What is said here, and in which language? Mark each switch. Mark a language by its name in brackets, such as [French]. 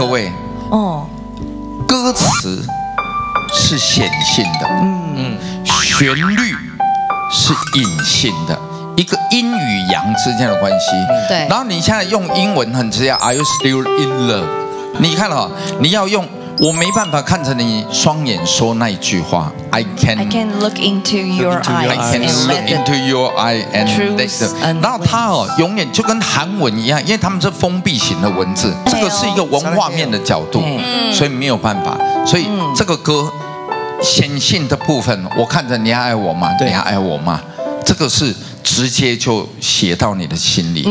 [Chinese] 各位，哦，歌词是显性的，旋律是隐性的，一个阴与阳之间的关系。对。然后你现在用英文很直接 ， [English] Are you still in love？ [Chinese] 你看哈，你要用。我没办法看着你双眼说那一句话 ， [English] I can I can look into your eyes， I can look into your eyes and let them。 [Chinese] 然后他哦，永远就跟韩文一样，因为他们是封闭型的文字，这个是一个文化面的角度，所以没有办法。所以这个歌显性的部分，我看着你还爱我吗？你还爱我吗？这个是。直接就写到你的心里。